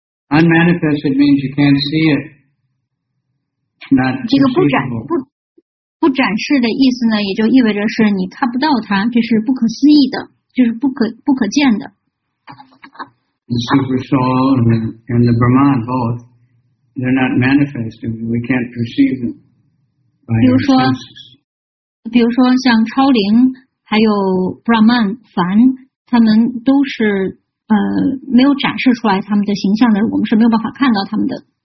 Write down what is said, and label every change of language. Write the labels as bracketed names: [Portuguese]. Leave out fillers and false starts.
[English] Unmanifested means you can't see it. Not [Chinese] 这个不展示的意思呢，也就意味着是你看不到它，这是不可思议的，就是不可见的。 [English] The super soul and the Brahman both, they're not manifested. We can't perceive them by our senses. [Chinese] 比如说像超灵还有 Brahman, 凡他们都是没有展示出来他们的形象的，我们是没有办法看到他们的。